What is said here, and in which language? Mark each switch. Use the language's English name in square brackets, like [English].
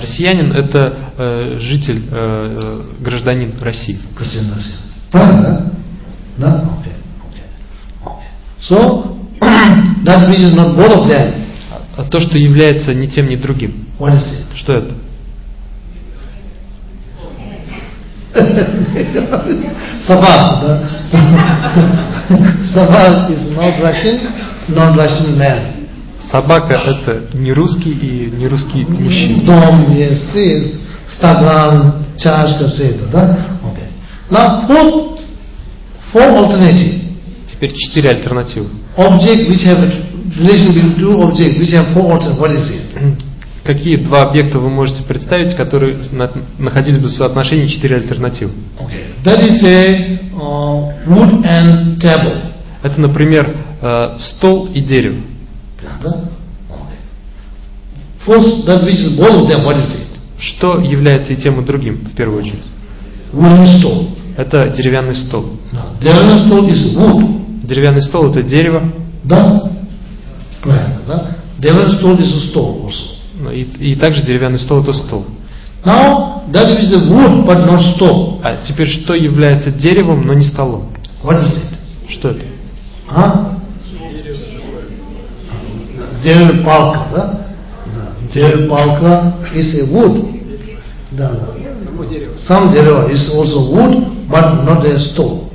[Russian] Россиянин — это житель, гражданин России. Гражданин России. Правильно, да? Да? Окей. [English] So, that which is not both of them. [Russian] А то, что является ни тем, ни другим. [English] What is it? [Russian] Что это? Собака, да? Собака [English] is not Russian, non-Russian man. [Russian] Собака — это не русский и не русский мужчина. Дом, yes, is, стакан, чашка, все это, да? [English] Okay. Now, four alternatives. [Russian] Теперь четыре альтернативы. [English] Object which have a relation between two objects which have four alternatives. What is it? [Russian] Какие два объекта вы можете представить, которые находились бы в соотношении четыре альтернативы? [English] Okay. That is a wood and table. [Russian] Это, например, стол и дерево. [English] Okay. First, that which is both of them. What is it? [Russian] Что является и тем, и другим в первую очередь? [English] Wooden stool. [Russian] Это деревянный стол. Деревянный стол [English] is wood. Деревянный стол — это дерево. [Russian] Да. Правильно, да? Деревянный стол [English] is a stool also. [Russian] И также деревянный стол — это стол. [English] Now, that is the wood, but not stool. [Russian] А теперь что является деревом, но не столом? [English] What is it? [Russian] Что это? А? Дерево палка, да? Да. Дерево палка [English] is a wood. [Russian] Да. Само дерево [English] is also wood, but not a stool.